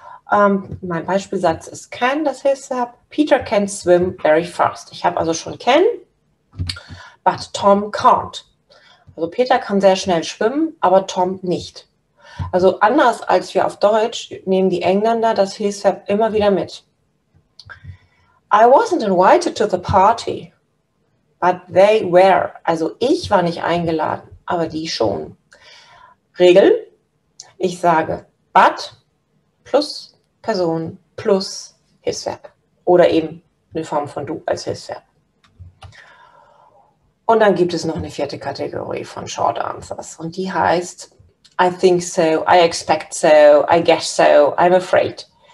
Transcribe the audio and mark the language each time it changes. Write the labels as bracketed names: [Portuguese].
[German] Mein Beispielsatz ist can, das heißt, [English] Peter can swim very fast. [German] Ich habe also schon can, [English] but Tom can't. [German] Also Peter kann sehr schnell schwimmen, aber Tom nicht. Also anders als wir auf Deutsch nehmen die Engländer das Hilfsverb immer wieder mit. [English] I wasn't invited to the party, but they were. [German] Also ich war nicht eingeladen, aber die schon. Regel, ich sage but plus Person plus Hilfsverb oder eben eine Form von du als Hilfsverb. Und dann gibt es noch eine vierte Kategorie von Short Answers und die heißt [English] I think so, I expect so, I guess so, I'm afraid.